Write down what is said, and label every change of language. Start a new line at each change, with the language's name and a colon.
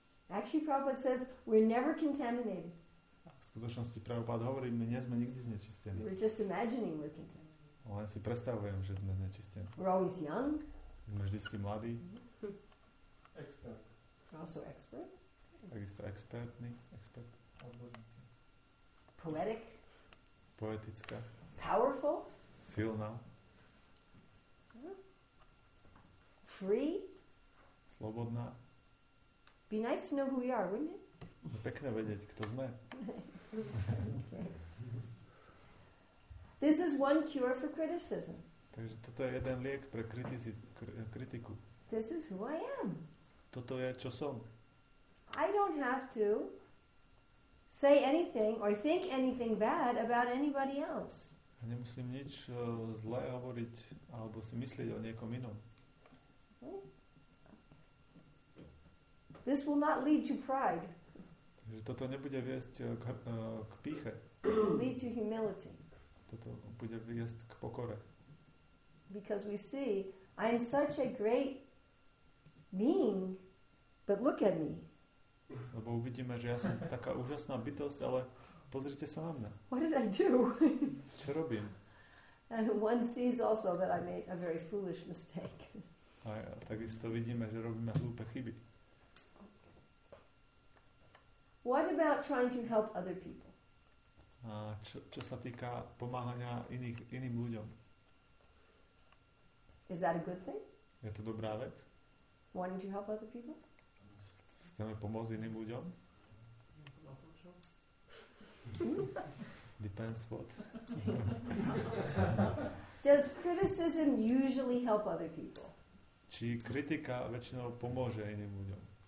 English: Actually, Prabhupada says, we're never contaminated.
Slovak: V skutočnosti Prabhupada hovorí, my nie sme nikdy znečistení.
English: We're just imagining we're contaminated.
Slovak: Ale si predstavujem, že sme nečistení.
English: We're always young.
Slovak: Sme vždycky mladí.
English: Expert. We're also expert.
Slovak: Takisto expertný. Expert.
English: Poetic.
Slovak: Poetická.
English: Powerful.
Slovak: Silná.
English: Free.
Slovak: Slobodná.
English: Be nice to know who we are, wouldn't it?
Slovak: Je pekné vedieť, kto sme.
English: This is one cure for criticism.
Slovak: Takže toto je jeden liek pre kritiku.
English: This is who I am.
Slovak: Toto je, čo som.
English: I don't have to say anything or think anything bad about anybody else.
Slovak: A nemusím nič zlé hovoriť alebo si myslieť o niekom inom.
English: This will not lead to pride.
Slovak: Takže toto nebude viesť k píche.
English: Lead to humility.
Slovak: Toto bude viesť k pokore.
English: Because we see, I am such a great being, but look at me.
Slovak: Lebo uvidíme, že ja som taká úžasná bytosť, ale pozrite sa na mňa.
English: What did I do?
Slovak: Čo robím?
English: And one sees also that I made a very foolish mistake.
Slovak: A takisto vidíme, že robíme hlúpe chyby.
English: What about trying to help other people?
Slovak: A čo sa týka pomáhania iným ľuďom?
English: Is that a good thing?
Slovak: Je to dobrá vec?
English: Wanting to help other people?
Slovak: Chceme pomôcť iným ľuďom?
English: Depends what. Does criticism usually help other people?
Slovak: Či kritika väčšinou pomôže iným ľuďom?